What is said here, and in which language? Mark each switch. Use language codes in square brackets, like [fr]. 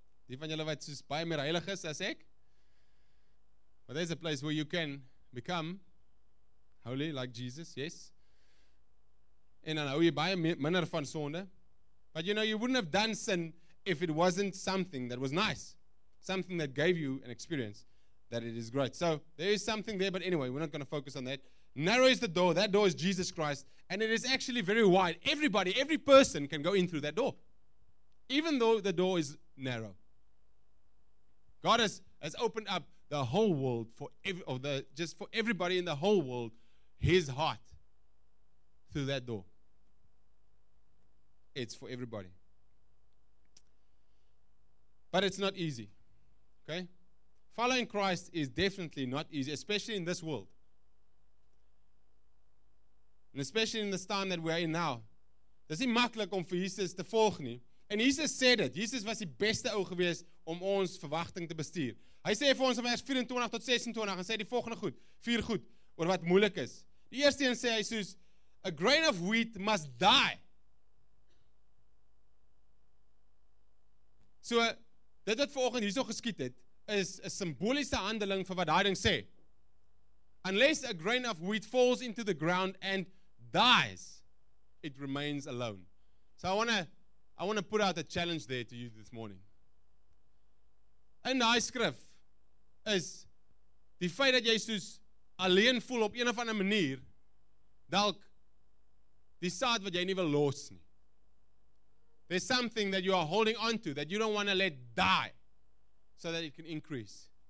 [af] Die van julle wat soos baie meer heilig is as ek. [en] But there's a place where you can become holy like Jesus, yes. [af] En dan hou jy baie minder van sonde. [en] But you know, you wouldn't have done sin if it wasn't something that was nice. Something that gave you an experience that it is great. So there is something there, but anyway, we're not going to focus on that. Narrow is the door. That door is Jesus Christ. And it is actually very wide. Everybody, every person can go in through that door. Even though the door is narrow. God has opened up the whole world for everybody in the whole world, his heart through that door. It's for everybody. But it's not easy. Okay? Following Christ is definitely not easy, especially in this world. And especially in the time that we are in now. [af] Dis nie maklik om vir Jesus te volg nie. [en] And Jesus said it. [af] Jesus was die beste ou gewees om ons verwagting te bestuur. Hy sê vir ons in vers 24 tot 26 en sê die volgende goed, vier goed oor wat moeilik is. Die eerste een sê hy soos [en] a grain of wheat must die. [af] So dit wat vanoggend hierso geskied het is 'n simboliese handeling vir wat daai ding sê. [en] Unless a grain of wheat falls into the ground and dies, it remains alone. So I want to put out a challenge there to you this morning. [af] In daai skrif is die feit dat jy soos alleen voel op een of ander manier, dalk die saad wat jy nie wil los nie. [en] There's something that you are holding on to that you don't want to let die so that it can increase.